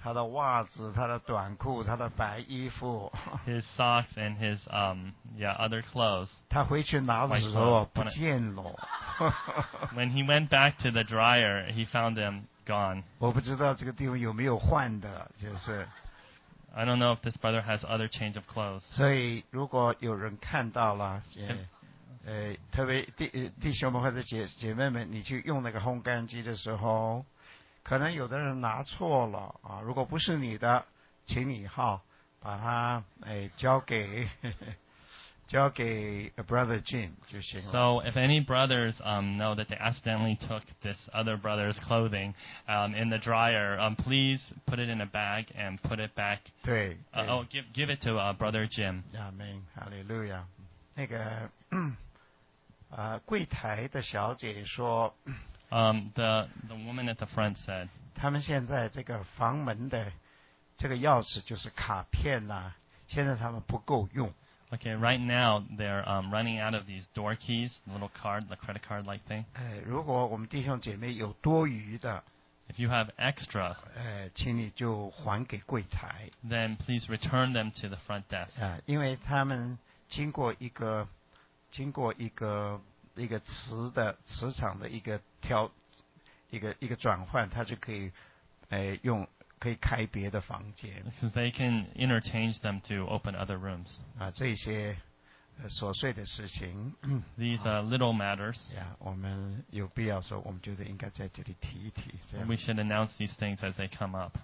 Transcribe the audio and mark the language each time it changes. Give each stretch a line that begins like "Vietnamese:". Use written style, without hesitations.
Chinese: 他的袜子、他的短裤、他的白衣服。
English: His socks and his other clothes.
Chinese: 他回去拿的时候不见了。
English: When he went back to the dryer, he found them gone.
Chinese: 我不知道这个地方有没有换的，就是。
English: I don't know if this brother has other change of clothes.
Chinese: 所以如果有人看到了，特别弟兄们或者姐妹们，你去用那个烘干机的时候，可能有的人拿错了啊。如果不是你的，请你哈把它交给 brother Jim 就行了。
English: So if any brothers know that they accidentally took this other brother's clothing in the dryer, please put it in a bag and put it back.
Chinese: 对。
English: Oh, give it to brother Jim.
Chinese: Amen. Hallelujah. 那个柜台的小姐说。
English: The woman at the front said.
Chinese: 他们现在这个房门的这个钥匙就是卡片呐、啊，现在他们不够用。
English: Okay, right now they're running out of these door keys, the little card, the credit card like thing.
Chinese: 如果我们弟兄姐妹有多余的
English: ，If you have extra,
Chinese: 请你就还给柜台。
English: Then please return them to the front desk.
Chinese: 因为他们经过一个磁场的一个转换，他就可以用。可以开别的房间。
English: Because they can interchange them to open other rooms.
Chinese: 这些琐碎的事情。
English: These are little matters.
Chinese: Yeah, 我们有必要说，我们觉得应该在这里提一提。
English: We should announce these things as they come up.